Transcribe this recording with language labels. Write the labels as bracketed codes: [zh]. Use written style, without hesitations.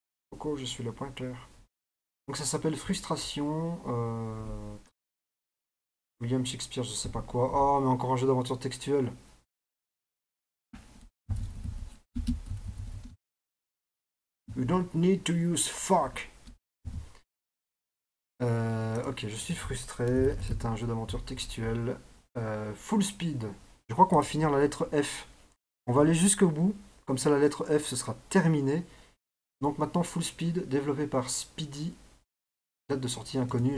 [fr] Coco, je suis le pointeur. Donc ça s'appelle Frustration. William Shakespeare, je sais pas quoi. Oh, mais encore un jeu d'aventure textuelle. [en] You don't need to use fuck. [fr] Ok, je suis frustré. C'est un jeu d'aventure textuelle. Full speed. Je crois qu'on va finir la lettre F. On va aller jusqu'au bout. Comme ça, la lettre F, ce sera terminé. Donc maintenant, full speed, développé par Speedy. Date de sortie inconnue.